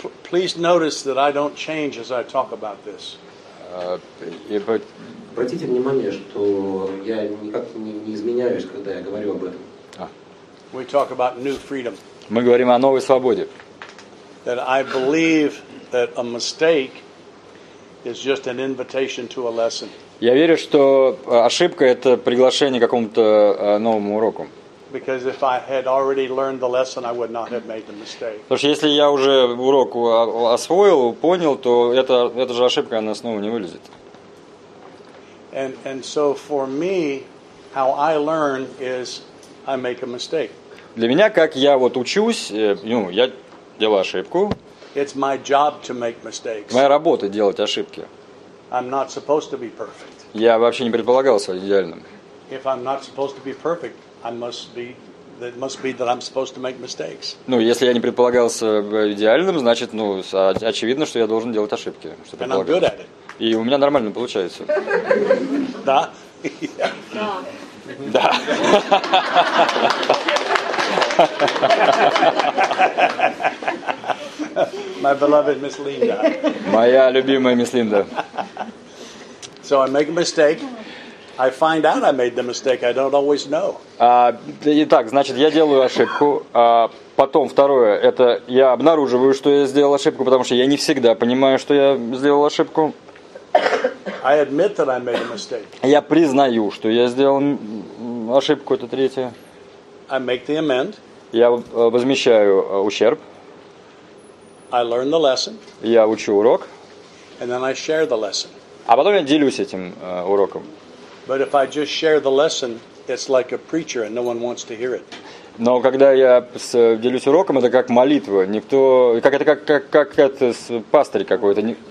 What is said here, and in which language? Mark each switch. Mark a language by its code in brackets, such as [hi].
[en] Please notice that I don't change as I talk about this. [ru] Обратите внимание, что я никак не изменяюсь, когда я говорю об этом. [en] We talk about new freedom. [ru] Мы говорим о новой свободе. [en] That I believe that a mistake is just an invitation to a lesson. [ru] Я верю, что ошибка – это приглашение к какому-то новому уроку. [en] Because if I had already learned the lesson, I would not have made the mistake. [ru] Потому что если я уже урок освоил, понял, то это же ошибка, она снова не вылезет. [en] And so for me, how I learn is I make a mistake. [ru] Для меня, как я вот учусь, я делаю ошибку. [en] It's my job to make mistakes. [ru] Моя работа делать ошибки. [en] I'm not supposed to be perfect. [ru] Я вообще не предполагался идеальным. [en] If I'm not supposed to be perfect, I must be that I'm supposed to make mistakes. [ru] Ну, если я не предполагался идеальным, значит, очевидно, что я должен делать ошибки, что предполагался. [en] And I'm good at it. [ru] И у меня нормально получается. Да. Да. [en] My beloved Miss Linda. [ru] Моя любимая мисс Линда. [en] So I make a mistake. I find out I made the mistake. I don't always know. [ru] Итак, значит, я делаю ошибку. Потом второе, это я обнаруживаю, что я сделал ошибку, потому что я не всегда понимаю, что я сделал ошибку. [en] I admit that I made a mistake. [ru] Я признаю, что я сделал ошибку. Это третье. [en] I make the amend. [ru] Я возмещаю ущерб. [en] I learn the lesson. [ru] Я учу урок. [en] And then I share the lesson. [ru] А потом я делюсь этим уроком. [en] But if I just share the lesson, it's like a preacher, and no one wants to hear it. [ru] Но когда я делюсь уроком, это как молитва. Никто, как это пастырь какой-то.